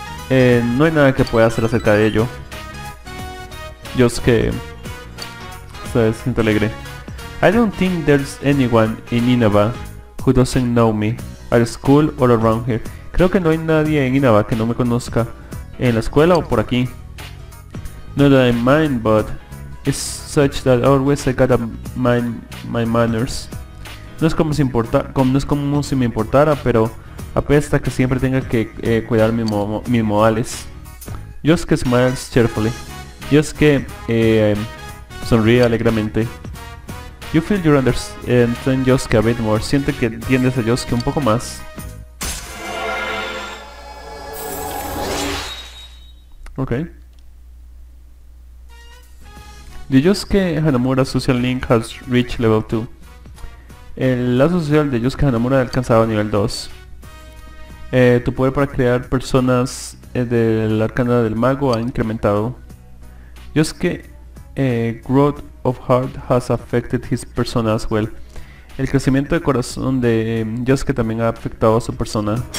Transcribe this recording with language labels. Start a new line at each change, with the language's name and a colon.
Spanish: No hay nada que pueda hacer acerca de ello. Yo es que... ¿sabes? Siento alegre.
English: I don't think there's anyone in Inaba who doesn't know me, at school or around here.
Spanish: Creo que no hay nadie en Inaba que no me conozca, en la escuela o por aquí.
English: Not that I mind, but it's such that always I gotta mind my manners.
Spanish: No es como si me importara, pero apesta que siempre tenga que cuidar mis modales.
English: Yosuke smiles cheerfully.
Spanish: Yosuke sonríe alegremente.
English: You feel you understand Yosuke a bit more.
Spanish: Siente que entiendes a Yosuke un poco más.
English: Ok. The Yosuke Hanamura Social Link has reached level 2.
Spanish: El lazo social de Yosuke Hanamura ha alcanzado nivel 2. Tu poder para crear personas del arcana del mago ha incrementado.
English: Yosuke Growth of Heart has affected his persona as well.
Spanish: El crecimiento de corazón de Yosuke también ha afectado a su persona.